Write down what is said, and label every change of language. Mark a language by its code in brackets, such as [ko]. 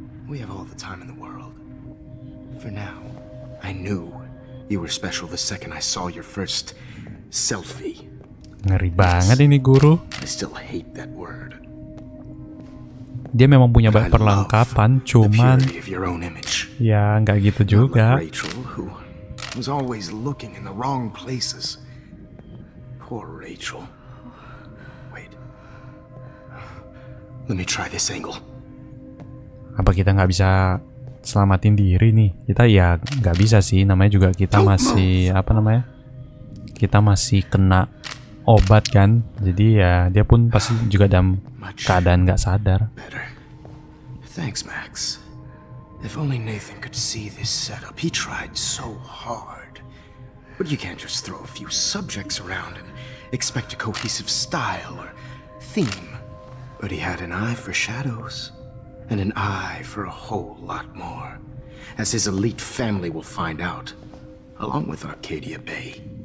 [en] We have all the time in the world. For now, I knew you were special the second I saw your first selfie. [id] Ngeri banget ini guru. [en] I still hate that word. [id] Dia memang punya banyak perlengkapan, cuman ya enggak gitu juga. [en] Rachel, who was always looking in the wrong places. Poor Rachel. Wait. Let me try this angle. [id] Apa kita nggak bisa selamatin diri nih? Kita ya nggak bisa sih, namanya juga kita masih apa namanya, kita masih kena obat kan, jadi ya dia pun pasti juga dalam keadaan nggak sadar. [en] Thanks Max, if only Nathan could see this setup, he tried so hard, but you can't just throw a few subjects around and expect a cohesive style or theme. But he had an eye for shadows. And an eye for a whole lot more, as his elite family will find out, along with Arcadia Bay.